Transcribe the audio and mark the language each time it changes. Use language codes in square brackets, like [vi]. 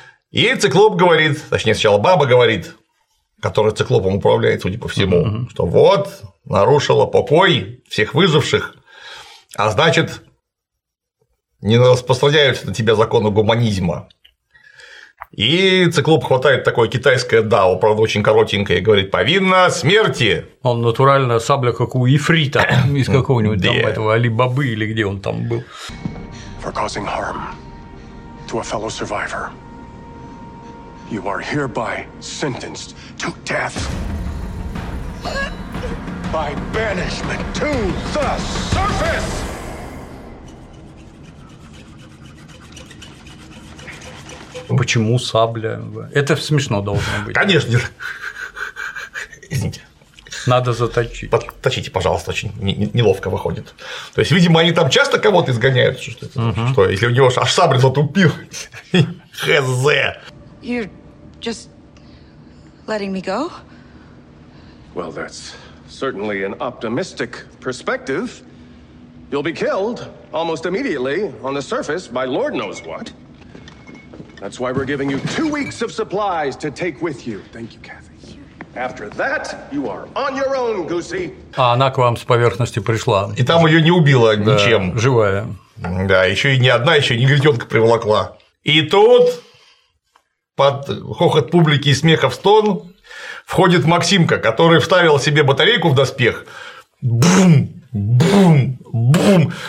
[ru] И циклоп говорит, точнее, сначала баба говорит, которая циклопом управляет, судя по всему, что вот, нарушила покой всех выживших, а значит, не распространяются на тебя законы гуманизма. И циклоп хватает такое китайское дао, правда, очень коротенькое, и говорит: повинна смерти! Он натурально сабля, как у ифрита из какого-нибудь там этого Али-Бабы или где он там был. [en] For causing harm to a fellow survivor. You are hereby sentenced to death by banishment to the surface. [ru] Почему сабля? Это смешно должно быть. Конечно. Извините. Надо заточить. Подточите, пожалуйста, очень неловко выходит. То есть, видимо, они там часто кого-то изгоняют, что это, что если у него аж сабля затупил. ХЗ. [en] Just letting me go? Well, that's certainly an optimistic perspective. You'll be killed almost immediately on the surface by Lord knows what. That's why we're giving you 2 weeks of supplies to take with you. Thank you, Kathy. After that, you are on your own, Goosey. [ru] А она к вам с поверхности пришла. И там ее не убило ничем. Да, живая. Да, еще и не одна, еще и негритёнка приволокла. И тут. Под хохот публики и смеха в стон входит Максимка, который вставил себе батарейку в доспех. Бум! Бум! Бум!